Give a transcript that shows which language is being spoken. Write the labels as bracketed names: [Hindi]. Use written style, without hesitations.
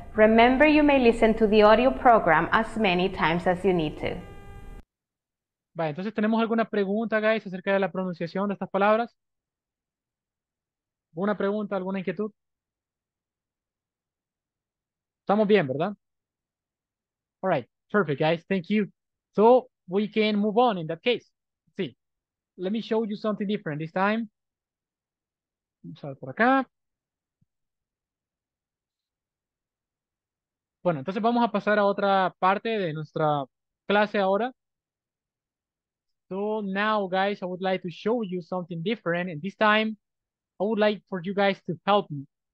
[English] Remember, you may listen to the audio program as many times as you need to. [Spanish] Vale, entonces, ¿tenemos alguna pregunta, guys, acerca de la pronunciación de estas palabras? ¿Alguna pregunta, alguna inquietud? Estamos bien, ¿verdad? [English] All right, perfect, guys. Thank you. So, we can move on in that case. Sí. Let me show you something different this time. [Spanish] Vamos a ver por acá. Bueno, entonces vamos a pasar a otra parte de nuestra clase ahora. [English] So now, guys, I would like to show you something different. And this time, I would like for you guys to help me.